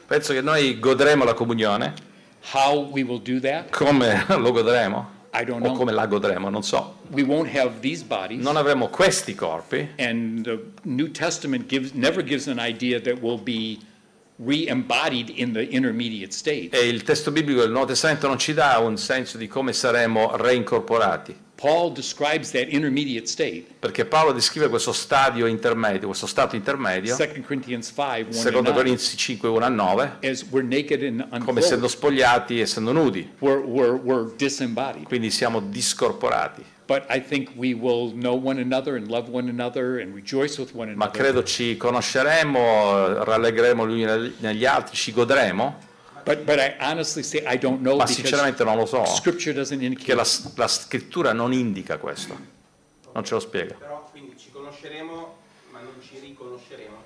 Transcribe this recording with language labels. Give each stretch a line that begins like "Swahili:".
Italian: Penso che noi godremo la comunione.
English: How we will do that?
Italian: Come lo godremo?
English: I don't know.
Italian: O come la godremo, non so.
English: We won't have these bodies.
Italian: Non avremo questi corpi.
English: And the New Testament never gives an idea that we'll be re-embodied in the intermediate state.
Italian: E il testo biblico del Nuovo Testamento non ci dà un senso di come saremo reincorporati.
English: Paul describes that intermediate state.
Italian: Perché Paolo descrive questo stadio intermedio, questo stato intermedio.
English: 2 Corinthians 5:1-9. As we're naked and unclothed.
Italian: Come essendo spogliati e essendo nudi.
English: We're disembodied.
Italian: Quindi siamo discorporati.
English: But I think we will know one another and love one another and rejoice with one another.
Italian: Ma credo ci conosceremo, rallegheremo gli uni negli altri, ci godremo.
English: But I honestly say I don't know.
Italian: Ma sinceramente non lo so.
English: Scripture doesn't indicate.
Italian: Che la scrittura non indica questo. Non ce lo spiega. Però quindi ci conosceremo, ma non ci riconosceremo.